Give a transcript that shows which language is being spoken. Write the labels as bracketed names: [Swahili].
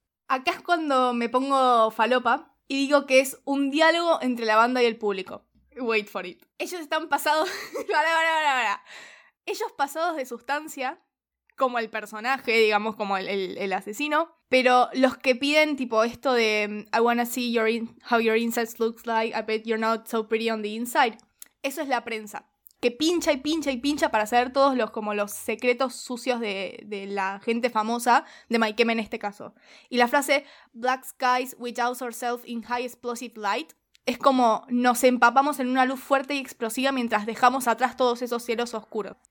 [Spanish] Acá es cuando me pongo falopa. Y digo que es un diálogo entre la banda y el público. [English] Wait for it. [Spanish] Ellos están pasados... para. Ellos pasados de sustancia, como el personaje, digamos, como el asesino. Pero los que piden, tipo, esto de... [English] I wanna see how your insides looks like. I bet you're not so pretty on the inside. [Spanish] Eso es la prensa. Que pincha y pincha y pincha para saber todos los, como los secretos sucios de la gente famosa, de Mike Kemen en este caso. Y la frase, [English] black skies we douse ourselves in high explosive light, [Spanish] es como nos empapamos en una luz fuerte y explosiva mientras dejamos atrás todos esos cielos oscuros.